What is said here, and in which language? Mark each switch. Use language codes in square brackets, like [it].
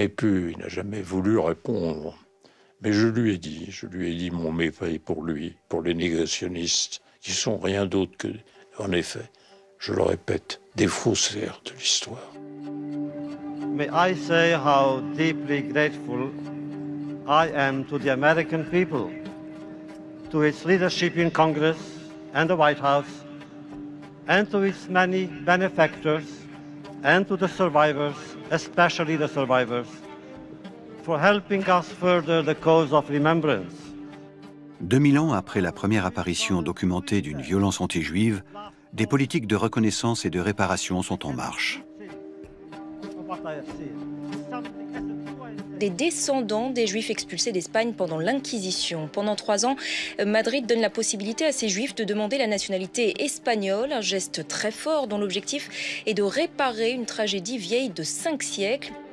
[fr] Il n'a jamais voulu répondre. Mais je lui ai dit mon mépris pour lui, pour les négationnistes, qui sont rien d'autre que, en effet, je le répète, des faussaires de l'histoire. [en] May I say how deeply grateful I am to the American people, to its leadership in Congress and the White House, and to its many benefactors, and to the survivors, especially the survivors, for helping us further the cause of remembrance. [fr] 2000 ans après la première apparition documentée d'une violence anti-juive, des politiques de reconnaissance et de réparation sont en marche. Des descendants des Juifs expulsés d'Espagne pendant l'Inquisition. Pendant 3 ans, Madrid donne la possibilité à ces Juifs de demander la nationalité espagnole, un geste très fort dont l'objectif est de réparer une tragédie vieille de 5 siècles.